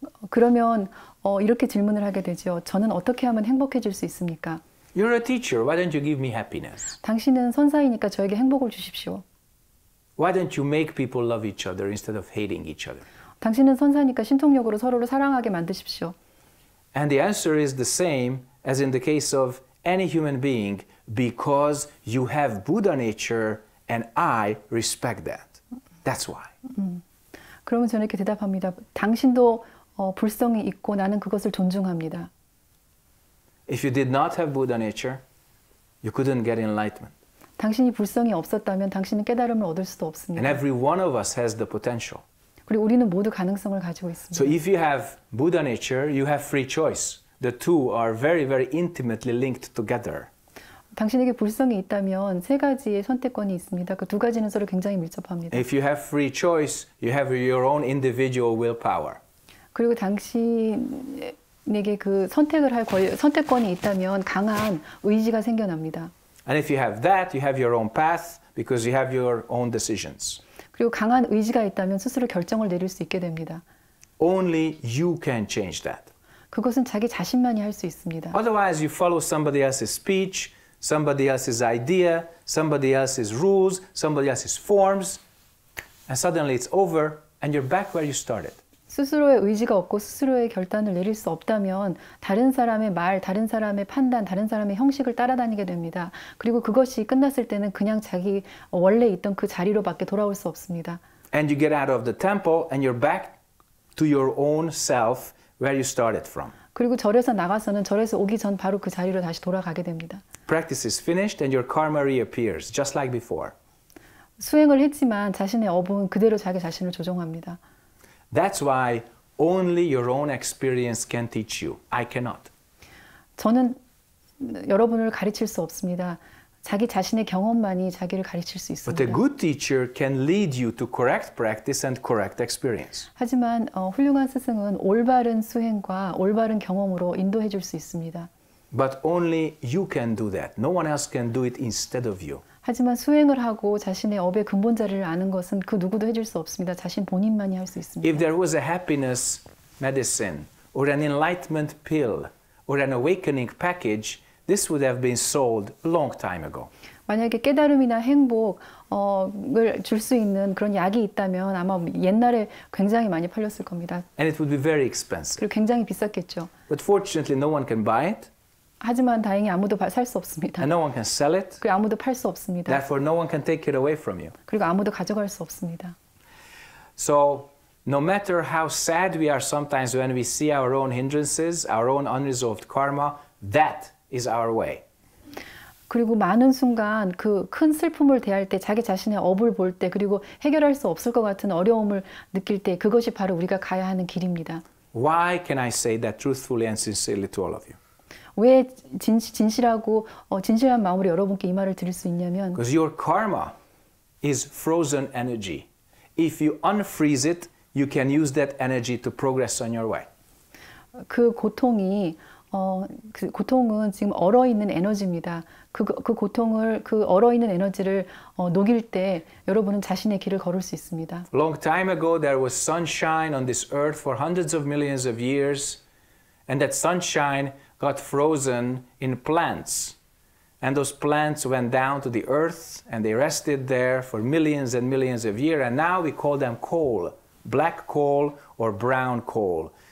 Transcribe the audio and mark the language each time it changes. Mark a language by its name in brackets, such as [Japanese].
[Korean] 그러면 이렇게 질문을 하게 되죠. 저는 어떻게 하면 행복해질 수 있습니까? [English] You're a teacher. Why don't you give me happiness? [Korean] 당신은 선사이니까 저에게 행복을 주십시오. [English] Why don't you make people love each other instead of hating each other? [Korean] 당신은 선사니까 신통력으로 서로를 사랑하게 만드십시오. [English] And the answer is the same as in the case of any human being because you have Buddha nature and I respect that. That's why. [Korean] 그러면 저는 이렇게 대답합니다. 당신도 불성이 있고 나는 그것을 존중합니다. [English] If you did not have Buddha nature, you couldn't get enlightenment. [Korean] 당신이 불성이 없었다면 당신은 깨달음을 얻을 수도 없습니다. [English] And every one of us has the potential. [Korean] 그리고 우리는 모두 가능성을 가지고 있습니다. [English] So if you have Buddha nature, you have free choice. The two are very, very intimately linked together. [Korean] 당신에게 불성이 있다면 세 가지의 선택권이 있습니다. 그 두 가지는 서로 굉장히 밀접합니다. [English] If you have free choice, you have your own individual willpower. [Korean] 그리고 당신에게 그 선택을 할 선택권이 있다면 강한 의지가 생겨납니다. [English] And if you have that, you have your own path because you have your own decisions. [Korean] 그리고 강한 의지가 있다면 스스로 결정을 내릴 수 있게 됩니다. [English] Only you can change that. [Korean] 그것은 자기 자신만이 할 수 있습니다. [English] Otherwise, you follow somebody else's speech, somebody else's idea, somebody else's rules, somebody else's forms, and suddenly it's over, and you're back where you started. [Korean] 스스로의 의지가 없고 스스로의 결단을 내릴 수 없다면 다른 사람의 말, 다른 사람의 판단, 다른 사람의 형식을 따라다니게 됩니다. 그리고 그것이 끝났을 때는 그냥 자기 원래 있던 그 자리로 밖에 돌아올 수 없습니다. [English] And you get out of the temple and you're back to your own self where you started from. [Korean] 그리고 절에서 나가서는 절에서 오기 전 바로 그 자리로 다시 돌아가게 됩니다. [English] Practice is finished and your karma reappears just like before. [Korean] 수행을 했지만 자신의 업은 그대로 자기 자신을 조종합니다. [English] That's why only your own experience can teach you. I cannot. [Korean] 저는 여러분을 가르칠 수 없습니다. 자기 자신의 경험만이 자기를 가르칠 수 있습니다. [English] But a good teacher can lead you to correct practice and correct experience. [Korean] 하지만 훌륭한 스승은 올바른 수행과 올바른 경험으로 인도해 줄 수 있습니다. [English] But only you can do that. No one else can do it instead of you. [Korean] 하지만 수행을 하고 자신의 업의 근본자리를 아는 것은 그 누구도 해줄 수 없습니다. 자신 본인만이 할 수 있습니다. [English] If there was a happiness medicine or an enlightenment pill or an awakening package, this would have been sold a long time ago. [Korean] 만약에 깨달음이나 행복을 줄 수 있는 그런 약이 있다면 아마 옛날에 굉장히 많이 팔렸을 겁니다. [English] And it would be very expensive. [Korean] 그리고 굉장히 비쌌겠죠. [English] But fortunately, no one can buy it. [Korean] 하지만 다행히 아무도 살 수 없습니다. [English] And no one can sell it. [Korean] 그리고 아무도 팔 수 없습니다. [English] Therefore, no one can take it away from you. [Korean] 그리고 아무도 가져갈 수 없습니다. [English] So, no matter how sad we are sometimes when we see our own hindrances, our own unresolved karma, that is our way. [Korean] 그리고 많은 순간 그 큰 슬픔을 대할 때 자기 자신의 업을 볼 때 그리고 해결할 수 없을 것 같은 어려움을 느낄 때 그것이 바로 우리가 가야 하는 길입니다. [English] Why can I say that truthfully and sincerely to all of you? [Korean] 왜 진실하고 진실한 마음으로 여러분께 이 말을 드릴 수 있냐면 [English] Because your karma is frozen energy. If you unfreeze it, you can use that energy to progress on your way. [Korean] 그 고통이 그 고통은 지금 얼어 있는 에너지입니다. 그 고통을 그 얼어 있는 에너지를 녹일 때 여러분은 자신의 길을 걸을 수 있습니다. [English] Long time ago there was sunshine on this earth for hundreds of millions of years and that sunshine got frozen in plants. And those plants went down to the earth and they rested there for millions and millions of years. And now we call them coal, black coal or brown coal.